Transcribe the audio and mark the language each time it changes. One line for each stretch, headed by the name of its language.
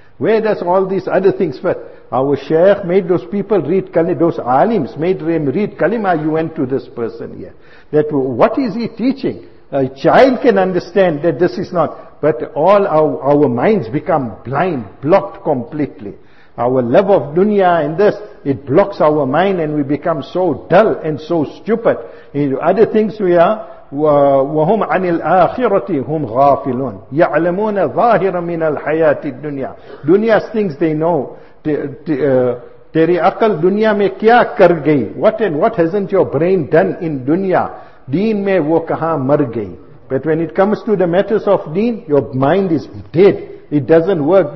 English: Where does all these other things fit? Our Shaykh made those people read Kalima, those alims made them read Kalima, you went to this person here. That, what is he teaching? A child can understand that this is not, but all our minds become blind, blocked completely. Our love of dunya and this, it blocks our mind and we become so dull and so stupid. In other things we are,
Arabic: وَهُمْ عَنِ الْآخِرَةِ هُمْ غَافِلُونَ يَعْلَمُونَ ظَاهِرًا مِنَ الْحَيَاةِ الدُّنْيَا.
English: Dunya's things they know.
Urdu: Teri akal dunya mein kya kar gayi?
English: What and what hasn't your brain done in dunya?
Urdu: Deen mein wo kaha mar gayi.
English: But when it comes to the matters of deen, your mind is dead. It doesn't work.